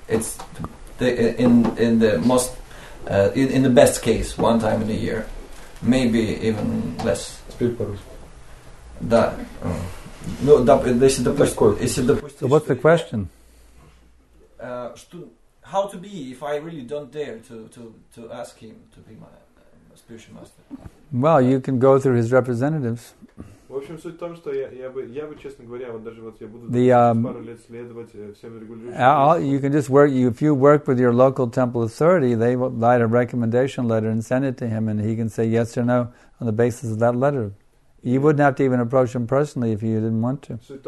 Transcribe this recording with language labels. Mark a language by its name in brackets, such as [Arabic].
[English] It's in the best case one time in a year, maybe even less. Speak for us. That. [Russian] Ну, допустим, [English] what's the question? How to be if I really don't dare to ask him to be my spiritual master? Well, you can go through his representatives. [Russian] В общем, суть в том, что я бы, честно говоря, вот даже вот я буду пару лет следовать всем регулирующим. [English] You can just work. If you work with your local temple authority, they will write a recommendation letter and send it to him, and he can say yes or no on the basis of that letter. You wouldn't have to even approach him personally if you didn't want to.